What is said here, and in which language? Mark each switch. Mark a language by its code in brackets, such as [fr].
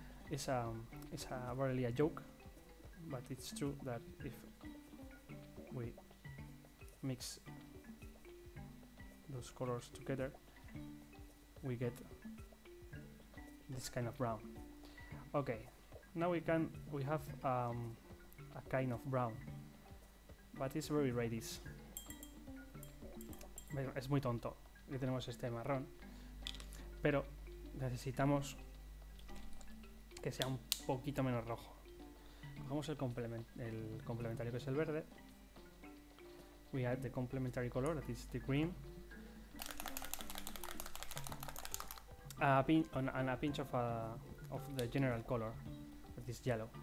[en] It's a barely a joke, but it's true that if we mix those colors together, we get this kind of brown. Okay, now we have a kind of brown, but it's very reddish. [es] Bueno, es muy tonto que tenemos este marrón, pero necesitamos que sea un poquito menos rojo. Cogemos el complementario, que es el verde. [en] We add the complementary color, that is the green. A pinch of the general color, that is yellow.